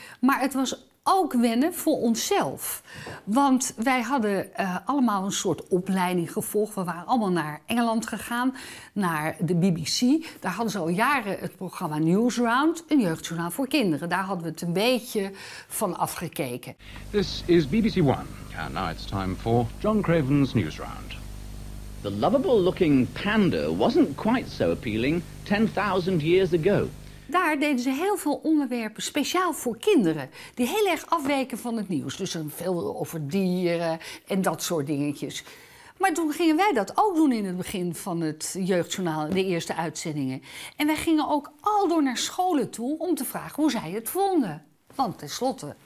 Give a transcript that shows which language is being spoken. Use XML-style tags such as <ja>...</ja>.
<nl>Maar het was ook wennen voor onszelf. Want wij hadden allemaal een soort opleiding gevolgd. We waren allemaal naar Engeland gegaan, naar de BBC. Daar hadden ze al jaren het programma Newsround, een jeugdjournaal voor kinderen. Daar hadden we het een beetje van afgekeken.</nl> <en>This is BBC One. And now it's time for John Craven's Newsround. The lovable looking panda wasn't quite so appealing 10,000 years ago.</en> <nl>Daar deden ze heel veel onderwerpen speciaal voor kinderen. Die heel erg afweken van het nieuws. Dus veel over dieren en dat soort dingetjes. Maar toen gingen wij dat ook doen in het begin van het Jeugdjournaal. De eerste uitzendingen. En wij gingen ook aldoor naar scholen toe om te vragen hoe zij het vonden. Want tenslotte</nl>